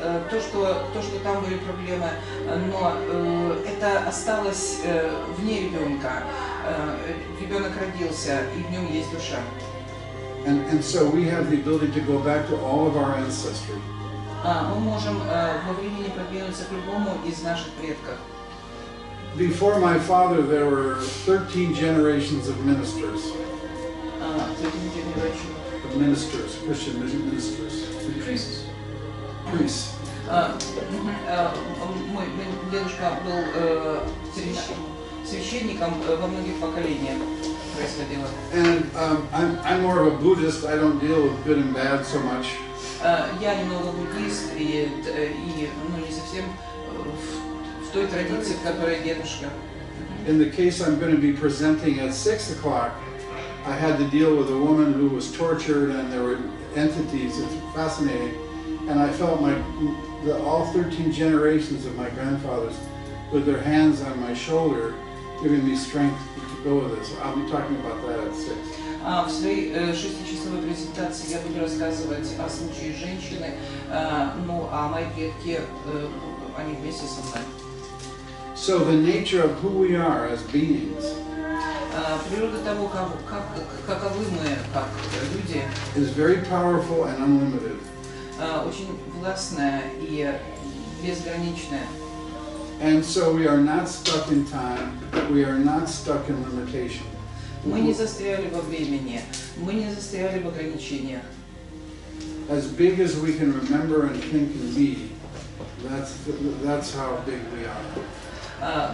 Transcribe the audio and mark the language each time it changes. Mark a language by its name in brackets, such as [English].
[Russian] То, что там были проблемы, но это осталось вне ребенка. Ребенок родился, и в нем есть душа. [English] And so we have the ability to go back to all of our ancestry. [Russian] Мы можем во времени продвинуться к любому из наших предков. [English] Before my father, there were 13 generations of ministers. 13 generations. Of ministers, Christian ministers. Priests. Priests. [Russian] Мой дедушка был священником во многих поколениях. [English] And I'm more of a Buddhist. I don't deal with good and bad so much. [Russian] Я немного буддист и не совсем в той традиции, в которой дедушка. [English] In the case I'm going to be presenting at 6 o'clock, I had to deal with a woman who was tortured and there were entities. It's fascinating. And I felt all 13 generations of my grandfathers with their hands on my shoulder, giving me strength to go with this. I'll be talking about that at 6. [Russian] В своей шестичасовой презентации я буду рассказывать о случае женщины, а мои предки, они вместе со мной. [English] So the nature of who we are as beings. [Russian] природа того, каковы мы как люди, [English] is very powerful and unlimited. [Russian] Очень властная и безграничная. [English] And so we are not stuck in time, we are not stuck in limitation. [Russian] Мы не застряли во времени, мы не застряли в ограничениях. [English] As big as we can remember and think and be, that's how big we are.